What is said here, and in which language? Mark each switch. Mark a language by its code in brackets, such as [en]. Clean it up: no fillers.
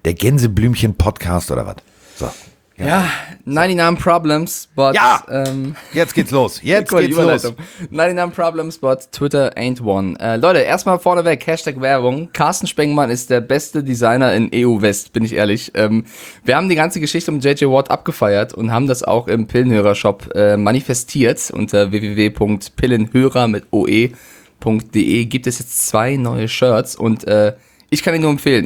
[de] Der Gänseblümchen-Podcast oder was? So. Ja, [en] 99 Problems, but... [de] Ja, jetzt geht's los, jetzt geht's los. [en] 99 Problems, but Twitter ain't one. [de] Leute, erstmal vorneweg, Hashtag Werbung. Carsten Spengemann ist der beste Designer in EU-West, bin ich ehrlich. Wir haben die ganze Geschichte um JJ Watt abgefeiert und haben das auch im Pillenhörer-Shop manifestiert unter www.pillenhörer.de. Gibt es jetzt 2 neue Shirts und ich kann ihn nur empfehlen.